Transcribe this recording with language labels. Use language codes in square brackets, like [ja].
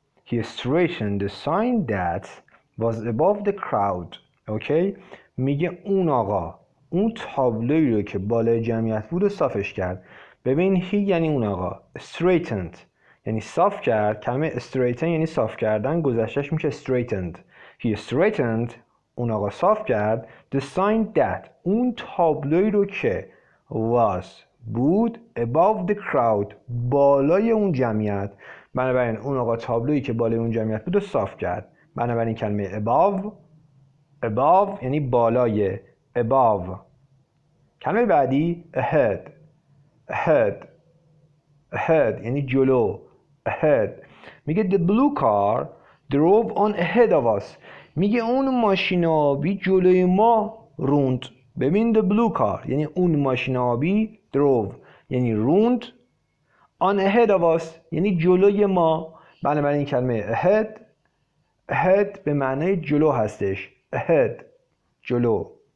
[en] He straightened the sign that was above the crowd. Okay. [fa] میگه اون آقا اون تابلوی رو که بالای جمعیت بود و صافش کرد. ببین he یعنی اون آقا. Straightened یعنی صاف کرد. کلمه straighten یعنی صاف کردن. گذشتش میشه straightened. [en] He straightened. [fa] اون آقا صاف کرد [en] the sign that [fa] اون تابلوی رو که [en] was [fa] بود [en] above the crowd [fa] بالای اون جمعیت. بنابراین اون آقا تابلویی که بالای اون جمعیت بود و صاف کرد. بنابراین کلمه above. Above یعنی بالای. Above. کلمه بعدی ahead. Ahead. Ahead یعنی جلو. Ahead. میگه [en] the blue car drove on ahead of us. [fa] میگه اون ماشین آبی جلوی ما روند. ببین [en] the blue car [fa] یعنی اون ماشین آبی [en] drove [fa] یعنی روند. [en] On ahead of us [fa] یعنی جلوی ما. بنابراین این کلمه ahead. Ahead به معنی جلو هستش. Ahead جلو.